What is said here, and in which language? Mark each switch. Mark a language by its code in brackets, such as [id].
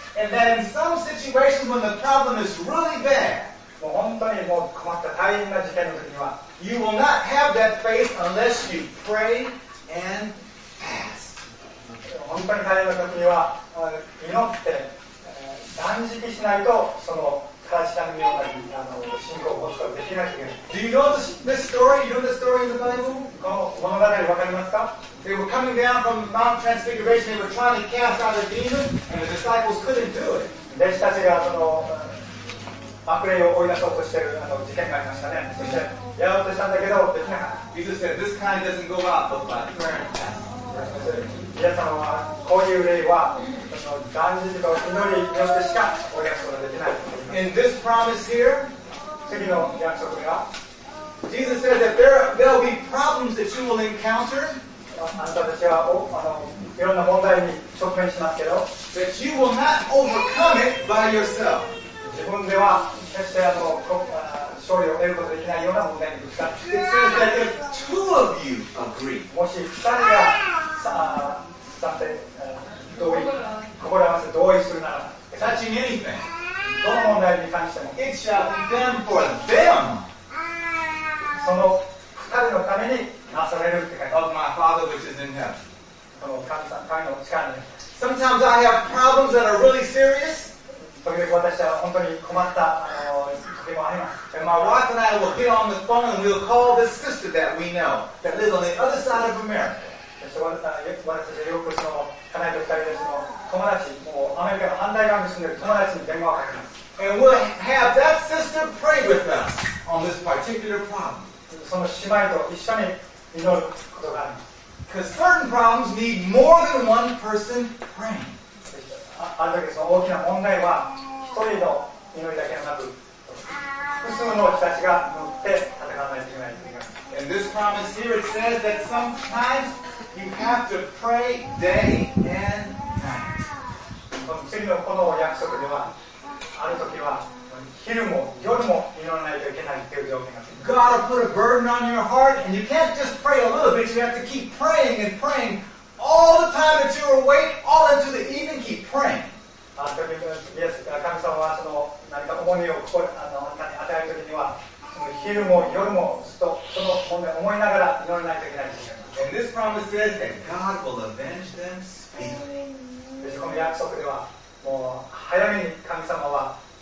[en] And that in some situations when the problem is really bad, [ja] もう本当にもう困った大変な事件の時には、 [en] You will not have that faith unless you pray and ask. [ja] 本当に大変な時には祈って断食しないとその正しさのような信仰を持つことができないという。 [en] Do you know this story? You know the story in the Bible? [ja] この物語で分かりますか? [en] They were coming down from Mount Transfiguration. They were trying to cast out a demon, and the disciples couldn't do it. [ja] 弟子たちがその悪霊を追い出そうとしている事件がありましたね。そしてやろうとしたんだけどできなかった。 [en] Jesus said, "This kind doesn't go out but by prayer and fasting." [ja] 皆さんはこういう例は断食と祈りによってしか追い出すことができない。 [en] In this promise here [ja] 次の約束では [en] Jesus said that there will be problems that you will encounter [ja] あなたたちはいろんな問題に直面しますけど [en] that you will not overcome it by yourself [ja] 自分では決して勝利を得ることができないような問題にぶつかる。 [en] It says that if two of you agree [ja] もし2人がさて同意心合わせ同意するなら [en] touching anything [ja] どの問題に関しても [en] it shall be done for them [ja] その二人のためになされるって書いてある [en] of my father which is in heaven [ja] この神の力に [en] sometimes I have problems that are really serious [ja] 時々私は本当に困った時もあります [en] and my wife and I will get on the phone and we'll call this sister that we know that lives on the other side of America [ja] 私たちはよくその家内と二人での友達もうアメリカの反対側に住んでいる友達に電話をかけます [en] And we'll have that sister pray with us on this particular problem [ja] その姉妹と一緒に祈ることがあります [en] Because certain problems need more than one person praying [ja] ある時その大きな問題は一人の祈りだけではなく複数の人たちが乗って戦わないといけない [en] And this promise here it says that sometimesYou have to pray day and night. [ja] 次のこの約束では、あるときは昼も夜も祈らないといけないという条件があります。 [en] God will put a burden on your heart, and you can't just pray a little bit. You have to keep praying and praying all the time that you are awake, all into the evening. Keep praying. [ja] Yes, 神様はその何か重みを心の中に与えるときには、その昼も夜もずっとその重みを思いながら祈らないといけない。 [en] And this promise says that God will avenge them speedily. [ja] この約束では、もう早めに神様は、